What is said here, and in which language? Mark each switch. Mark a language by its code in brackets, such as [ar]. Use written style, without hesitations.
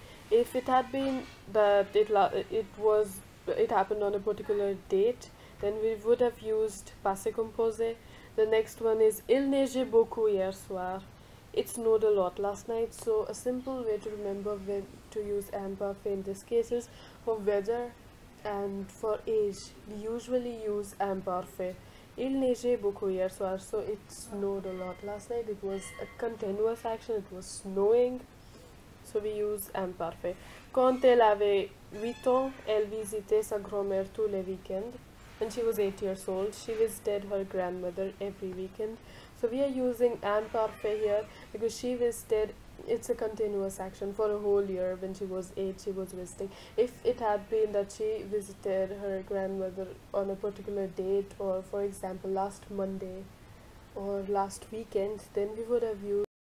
[en] If it had been that it happened on a particular date, then we would have used passé composé. The next one is [fr] il neigeait beaucoup hier soir. [en] It snowed a lot last night, so a simple way to remember when to use imparfait in this case is for weather and for age. We usually use imparfait. [fr] Il neigeait beaucoup hier soir, [en] so it snowed a lot last night. It was a continuous action, it was snowing, so we use imparfait. [fr] Quand elle avait 8 ans, elle visitait sa grand-mère tous les weekends. [en] When she was 8 years old, she visited her grandmother every weekend. So we are using imparfait here because she visited, it's a continuous action for a whole year. When she was 8, she was visiting. If it had been that she visited her grandmother on a particular date or, for example, last Monday or last weekend, then we would have used.